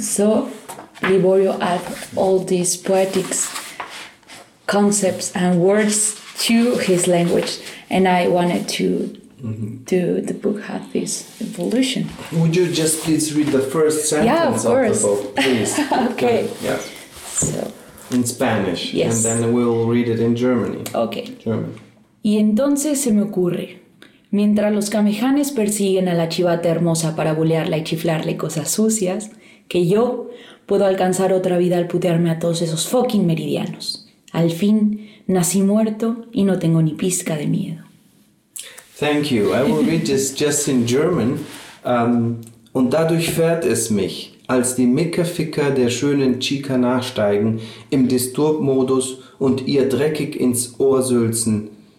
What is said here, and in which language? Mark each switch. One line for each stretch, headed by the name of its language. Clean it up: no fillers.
English: So Livorio add all these poetics concepts and words to his language, and I wanted to the book had this evolution. Would you just please read the first sentence of the book, please? Okay. Yeah. So. In Spanish. Yes. And then we'll read it in Germany. Okay. German.
Spanish: Y entonces se me ocurre, mientras los camejanes persiguen a la chivata hermosa para bulearla y chiflarle cosas sucias, que yo puedo alcanzar otra vida al putearme a todos esos fucking meridianos. Al fin, nací muerto y no tengo ni pizca de miedo.
English: Thank you. I will read this just in German.
German: Und dadurch fährt es mich, als die Mickerficker der schönen Chica nachsteigen, im Disturb-Modus und ihr dreckig ins Ohr sülzen.